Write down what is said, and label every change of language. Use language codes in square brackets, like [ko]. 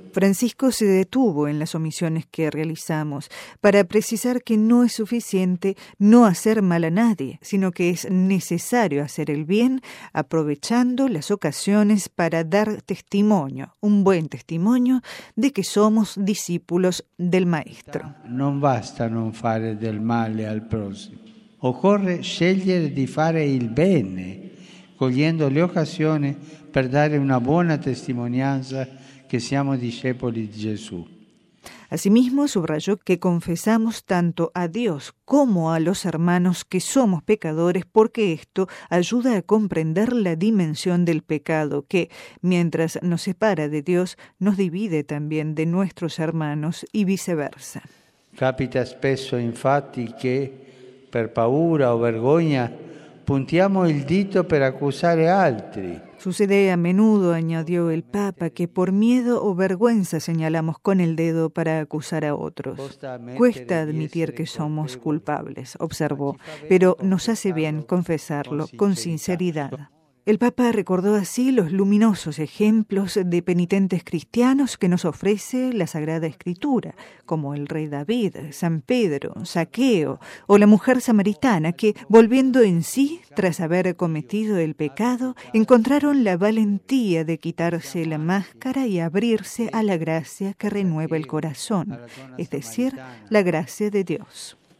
[es] Francisco se detuvo en las omisiones que realizamos para precisar que no es suficiente no hacer mal a nadie, sino que es necesario hacer el bien aprovechando las ocasiones para dar testimonio, un buen testimonio, de que somos discípulos del Maestro. [it] No basta non fare del male al prossimo. Occorre scegliere di fare il bene, cogliendo le occasioni per dare una buena testimonianza [es] que seamos discípulos de Jesús. Asimismo, subrayó que confesamos tanto a Dios como a los hermanos que somos pecadores, porque esto ayuda a comprender la dimensión del pecado que, mientras nos separa de Dios, nos divide también de nuestros hermanos y viceversa. [it] Capita spesso, infatti, que, per paura o vergogna, puntiamo il dito per accusare altri. [es] Sucede a menudo, añadió el Papa, que por miedo o vergüenza señalamos con el dedo para acusar a otros. Cuesta admitir que somos culpables, observó, pero nos hace bien confesarlo con sinceridad. El Papa recordó así los luminosos ejemplos de penitentes cristianos que nos ofrece la Sagrada Escritura, como el rey David, San Pedro, Zaqueo o la mujer samaritana, que, volviendo en sí tras haber cometido el pecado, encontraron la valentía de quitarse la máscara y abrirse a la gracia que renueva el corazón, es decir, la gracia de Dios.